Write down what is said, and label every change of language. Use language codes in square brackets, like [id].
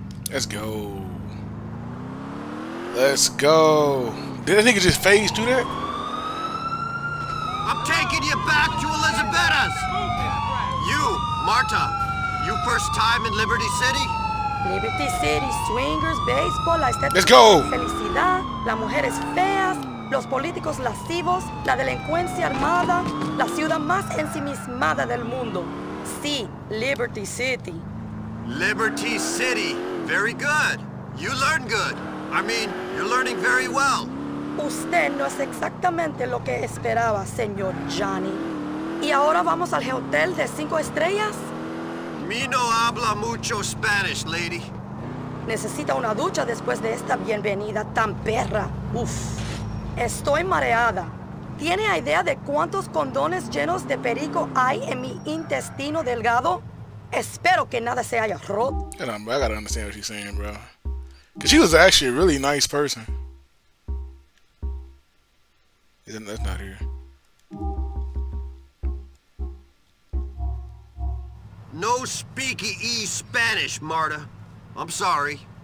[en] Let's go. Let's go. Did that nigga just phase through that? I'm taking you back to Elizabeth's. You, Marta, you first time in Liberty City? Liberty City, swingers, baseball. Let's go. [es] Felicidad, las mujeres feas, los políticos lascivos, la delincuencia armada, la ciudad más ensimismada del mundo. Sí, Liberty City. [en] Liberty City, very good. You learn good. I mean, you're learning very well. [es] Usted no es exactamente lo que esperaba, señor Johnny. ¿Y ahora vamos al hotel de cinco estrellas? Mi no habla mucho Spanish, lady. Necesita una ducha después de esta bienvenida tan perra. Uf, estoy mareada. ¿Tiene idea de cuántos condones llenos de perico hay en mi intestino delgado? Espero que nada se haya roto. [en] I gotta understand what she's saying, bro. Cause she was actually a really nice person. Isn't that not here? No speaky e Spanish, Marta. I'm sorry.